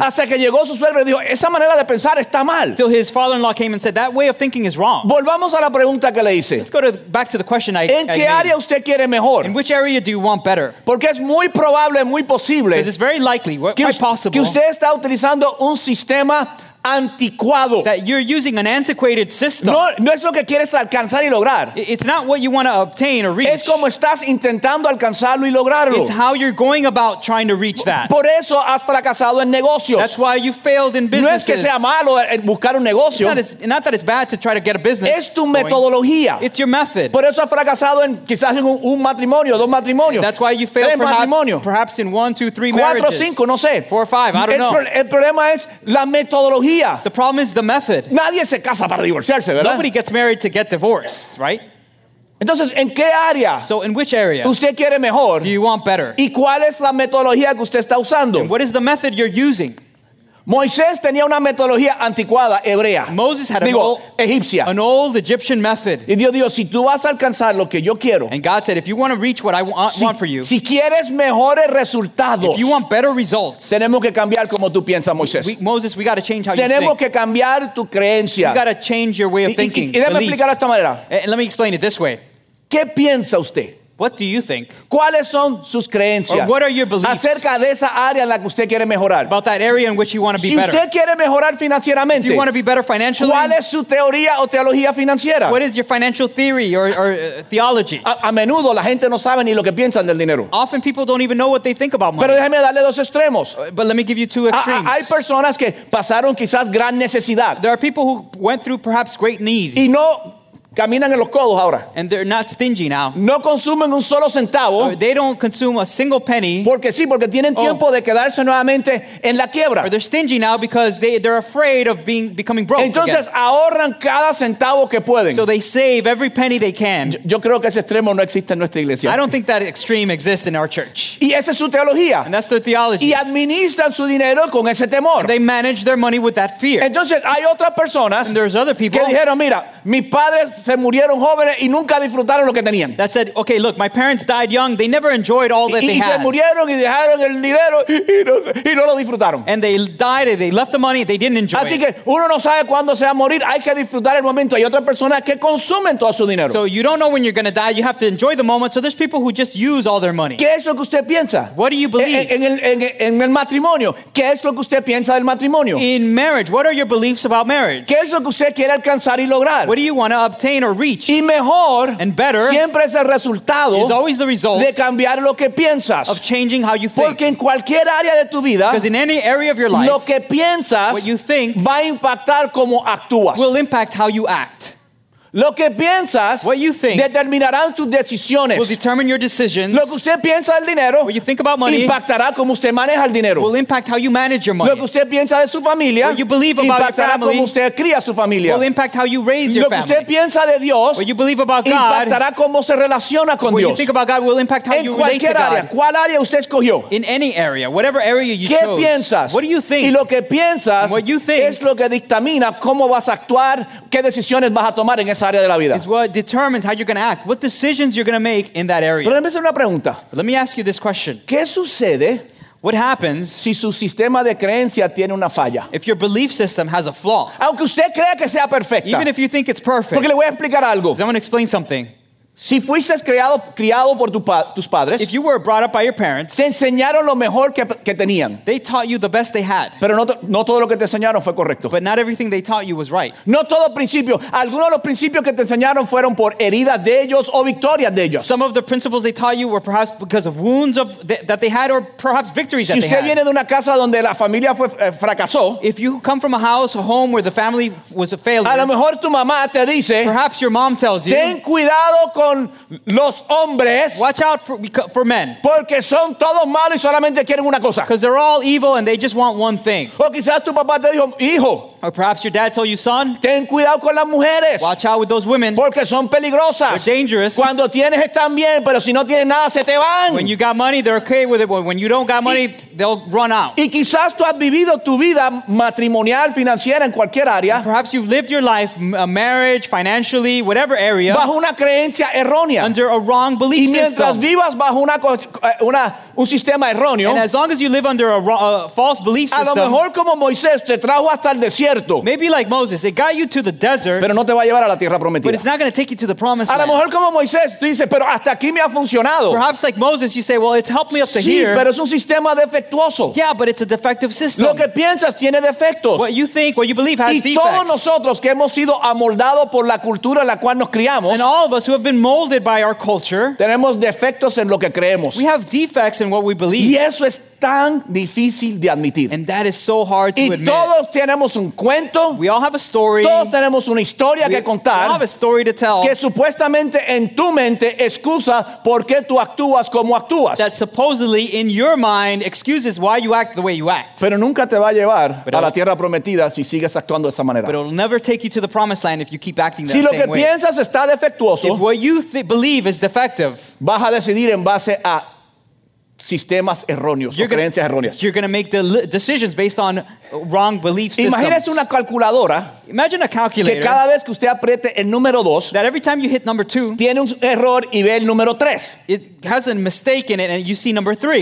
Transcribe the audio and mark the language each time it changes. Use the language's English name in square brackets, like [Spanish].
[Spanish] Hasta que llegó su suegro y dijo, esa manera de pensar está mal. [English] Till his father-in-law came and said, that way of thinking is wrong. [Spanish] Volvamos a la pregunta que le hice. [English] Let's go back to the question I [Spanish] ¿En qué área usted quiere mejor? [English] In which area do you want better? [Spanish] Porque es muy probable, muy posible. [English] Because it's very likely, quite possible. [Spanish] Que usted está utilizando un sistema anticuado. [English] That you're using an antiquated system. [Spanish] No es lo que quieres alcanzar y lograr. [English] It's not what you want to obtain or reach. [Spanish] Es como estás intentando alcanzarlo y lograrlo. [English] It's how you're going about trying to reach that. [Spanish] Por eso has fracasado en negocios. [English] That's why you failed in businesses. [Spanish] No es que sea malo buscar un negocio. [English] Not that it's bad to try to get a business. [Spanish] Es tu metodología. [English] It's your method. [Spanish] Por eso has fracasado en quizás en un matrimonio, dos matrimonios. [English] That's why you failed [Spanish] matrimonio. [English] Perhaps in one, two, three [Spanish] cuatro, [English] marriages. [Spanish] Cinco, no sé. [English] Four or five, I don't know. [Spanish] El problema es la metodología. [English] The problem is the method. [Spanish] Nadie se casa para divorciarse, ¿verdad? [English] Nobody gets married to get divorced, right? [Spanish] Entonces, ¿en qué área? [English] So in which area? [Spanish] ¿Usted quiere mejor? [English] Do you want better? [Spanish] ¿Y cuál es la metodología que usted está usando? [English] And what is the method you're using? [Spanish] Moisés tenía una metodología anticuada, hebrea. [English] Moses had [Spanish] egipcia. [English] An old Egyptian method. [Spanish] Y Dios dijo, si tú vas a alcanzar lo que yo quiero. [English] And God said, if you want to reach what I want for you. [Spanish] Si quieres mejores resultados. [English] If you want better results. [Spanish] Tenemos que cambiar como tú piensas, Moisés. [English] Moses, we got to change how [Spanish] tenemos [English] you think. [Spanish] Tenemos que cambiar tu creencia. [English] You got to change your way of thinking. [Spanish] Y déjame explicarlo de esta manera. [English] And let me explain it this way. [Spanish] ¿Qué piensa usted? [English] What do you think? [Spanish] ¿Cuáles son sus creencias? [English] Or what are your beliefs? [Spanish] Acerca de esa área en la que usted quiere mejorar. [English] About that area in which you want to be [Spanish] si [English] better. [Spanish] Usted quiere mejorar financieramente, [English] if you want to be better financially. [Spanish] ¿Cuál es su teoría o teología financiera? [English] What is your financial theory or theology? [Spanish] A menudo la gente no sabe ni lo que piensan del dinero. [English] Often people don't even know what they think about money. [Spanish] Pero déjeme darle dos extremos. [English] But let me give you two extremes. [Spanish] Hay personas que pasaron quizás gran necesidad. [English] There are people who went through perhaps great need. [Spanish] Y no Caminan en los codos ahora. [English] And they're not stingy now. [Spanish] No consumen un solo centavo. [English] Or they don't consume a single penny. [Spanish] Porque sí, porque tienen tiempo de quedarse nuevamente en la quiebra. [English] Or they're stingy now because they're afraid of becoming broke. [Spanish] Entonces [English] again. [Spanish] Ahorran cada centavo que pueden. [English] So they save every penny they can. [Spanish] Yo creo que ese extremo no existe en nuestra iglesia. [English] I don't think that extreme exists in our church. [Spanish] Y esa es su teología. [English] And that's their theology. [Spanish] Y administran su dinero con ese temor. [English] And they manage their money with that fear. [Spanish] Entonces hay otras personas. [English] And there's other people [Spanish] que dijeron, mira, mis padres se murieron jóvenes y nunca disfrutaron lo que tenían. [English] That said, okay, look, my parents died young. They never enjoyed all that [Spanish] y [English] they had. [Spanish] Y se murieron y dejaron el dinero y no lo disfrutaron. [English] And they died and they left the money. They didn't enjoy [Spanish] Así [English] it. [Spanish] Así que uno no sabe cuándo se va a morir. Hay que disfrutar el momento. Hay otras personas que consumen todo su dinero. [English] So you don't know when you're going to die. You have to enjoy the moment. So there's people who just use all their money. [Spanish] ¿Qué es lo que usted piensa? [English] What do you believe? [Spanish] En el matrimonio. ¿Qué es lo que usted piensa del matrimonio? [English] In marriage, what are your beliefs about marriage? [Spanish] ¿Qué es lo que usted quiere alcanzar y lograr? [English] What do you want to obtain? Or reach. [Spanish] Y mejor, [English] and better [Spanish] siempre es el resultado [English] is always the result [Spanish] de cambiar lo que piensas. [English] Of changing how you think. [Spanish] Porque en cualquier área de tu vida, [English] because in any area of your life, [Spanish] lo que piensas [English] what you think [Spanish] va a impactar cómo actúas. [English] Will impact how you act. [Spanish] Lo que piensas [English] what you think [Spanish] determinarán tus decisiones. [English] Will determine your decisions. [Spanish] Lo que usted piensa del dinero [English] what you think about money [Spanish] impactará cómo usted maneja el dinero. [English] Will impact how you manage your money. [Spanish] Lo que usted piensa de su familia [English] what you believe about [Spanish] impactará [English] your family [Spanish] cómo usted cría su familia. [English] Will impact how you raise your [Spanish] lo que usted [English] family. [Spanish] Piensa de Dios [English] what you believe about God [Spanish] impactará cómo se relaciona con [English] what [Spanish] Dios. [English] You think about God will impact how [Spanish] en [English] you [Spanish] cualquier [English] relate [Spanish] área, [English] to God. [Spanish] ¿Cuál área usted escogió? [English] In any area, whatever area you [Spanish] ¿Qué [English] chose. [Spanish] Piensas? [English] What do you think? [Spanish] Y lo que piensas [English] what you think [Spanish] es lo que dictamina cómo vas a actuar, qué decisiones vas a tomar en esa área de la vida. [English] Is what determines how you're going to act, what decisions you're going to make in that area. [Spanish] Pero déjame hacer una pregunta. [English] But let me ask you this question. [Spanish] ¿Qué sucede? [English] What happens [Spanish] si su sistema de creencia tiene una falla? [English] If your belief system has a flaw. [Spanish] Aunque usted crea que sea perfecta. [English] Even if you think it's perfect. [Spanish] Porque le voy a explicar algo. [English] I'm going to explain something. [Spanish] Si fuiste criado por tus padres, [English] if you were brought up by your parents, [Spanish] te enseñaron lo mejor que tenían. [English] They taught you the best they had. [Spanish] Pero no todo lo que te enseñaron fue correcto. [English] But not everything they taught you was right. [Spanish] No todo principio. Algunos de los principios que te enseñaron fueron por heridas de ellos o victorias de ellos. [English] Some of the principles they taught you were perhaps because of wounds of that they had or perhaps victories [Spanish] si [English] that they had. [Spanish] Si usted viene de una casa donde la familia fracasó, [English] if you come from a house, a home where the family was a failure, [Spanish] a lo mejor tu mamá te dice, [English] perhaps your mom tells you, [Spanish] ten cuidado con los hombres, [English] watch out for men, [Spanish] porque son todos malos y solamente quieren una cosa. [English] Because they're all evil and they just want one thing. [Spanish] O quizás tu papá te dijo, hijo. [English] Or perhaps your dad told you, son, [Spanish] ten cuidado con las mujeres, [English] watch out with those women, [Spanish] porque son peligrosas. [English] They're dangerous. [Spanish] Cuando tienes están bien, pero si no tienes nada se te van. [English] When you got money, they're okay with it, but when you don't got money, they'll run out. [Spanish] Y quizás tú has vivido tu vida matrimonial, financiera, en cualquier área. [English] And perhaps you've lived your life, a marriage, financially, whatever area, [Spanish] bajo una creencia errónea. [English] Under a wrong belief system. [Spanish] Y mientras [English] system. [Spanish] Vivas bajo un sistema erróneo. [English] And as long as you live under a false belief system. [Spanish] A lo mejor como Moisés te trajo hasta el desierto. [English] Maybe like Moses, it got you to the desert. [Spanish] Pero no te va a llevar a la tierra prometida. [English] But it's not going to take you to the promised [Spanish] a [English] land. [Spanish] A lo mejor como Moisés, tú dices, pero hasta aquí me ha funcionado. [English] Perhaps like Moses, you say, well, it's helped me up [Spanish] sí, [English] to here. [Spanish] Sí, pero es un sistema defectuoso. [English] Yeah, but it's a defective system. [Spanish] Lo que piensas tiene defectos. [English] What you think, what you believe has [Spanish] y [English] defects. [Spanish] Y todos nosotros que hemos sido amoldados por la cultura en la cual nos criamos. [English] And all of us who have been molded by our culture. [Spanish] Tenemos defectos en lo que creemos. [English] We have defects in what we believe. [Spanish] Y eso es tan difícil de admitir. [English] And that is so hard to [Spanish] y [English] admit. [Spanish] Todos tenemos un cuento. [English] We all have a story. [Spanish] Todos tenemos una historia que contar. [English] We all have a story to tell. [Spanish] Que supuestamente en tu mente excusa por qué tú actúas como actúas. [English] That supposedly in your mind excuses why you act the way you act. [Spanish] Pero nunca te va a llevar a la tierra prometida si sigues actuando de esa manera. [English] But it'll never take you to the promised land if you keep acting that [Spanish] si [English] same way. [Spanish] Si lo que piensas está defectuoso, [English] if what you believe is defective, [Spanish] vas a decidir en base a sistemas erróneos o creencias erróneas. [English] You're going to make decisions based on wrong belief systems. [Spanish] Imagínese una calculadora. [English] Imagine a calculator. [Spanish] Que cada vez que usted apriete el número 2, [English] that every time you hit number 2, [Spanish] tiene un error y ve el número 3. [English] It has a mistake in it and you see number 3.